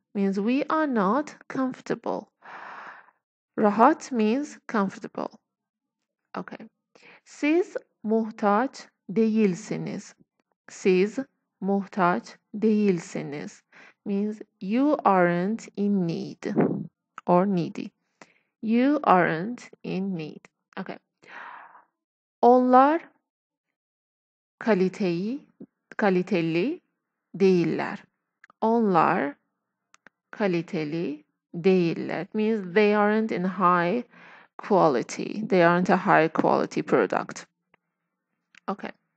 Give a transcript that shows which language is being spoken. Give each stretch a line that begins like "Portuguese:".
English: Means we are not comfortable. Rahat means comfortable. Okay.
Turkish: Siz muhtaç değilsiniz. Siz muhtaç değilsiniz.
English: Means you aren't in need or needy. You aren't in need. Okay.
Turkish: Onlar kaliteli değiller. Onlar kaliteli değiller.
English: Means they aren't in high quality. They aren't a high quality product. Okay.